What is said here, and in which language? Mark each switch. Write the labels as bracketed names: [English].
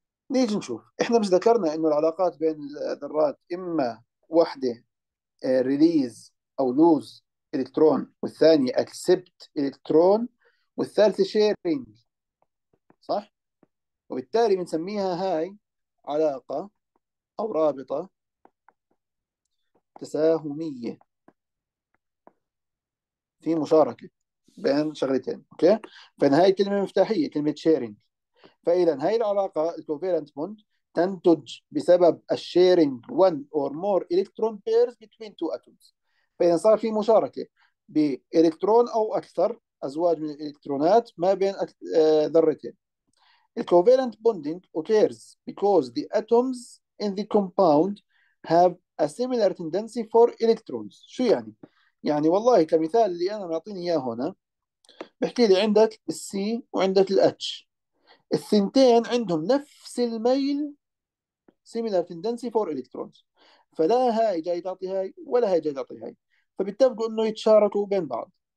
[Arabic] نيجي نشوف، احنا بس ذكرنا انه العلاقات بين الذرات اما وحده ريليز او لوز الكترون والثانيه اكسبت الكترون والثالثة شيرينج، صح؟ وبالتالي بنسميها هاي علاقة أو رابطة تساهمية في مشاركة بين شغلتين، أوكي؟ فإن هاي كلمة مفتاحية، كلمة شيرينج. فإذا هاي العلاقة الكوفيلنت بوند تنتج بسبب الشيرينج [English] one or more electron pairs between two atoms. [Arabic] فإذا صار في مشاركة بإلكترون أو أكثر أزواج من الإلكترونات ما بين ذرتين. [English] The covalent bonding occurs because the atoms in the compound have a similar tendency for electrons. [Arabic] شو يعني؟ يعني والله كمثال اللي أنا معطيني إياه هنا، بحكي لي عندك الـ C وعندك الـ H، الثنتين عندهم نفس الميل [English] similar tendency for electrons، [Arabic] فلا هاي جاي تعطي هاي ولا هاي جاي تعطي هاي، فبيتفقوا إنه يتشاركوا بين بعض.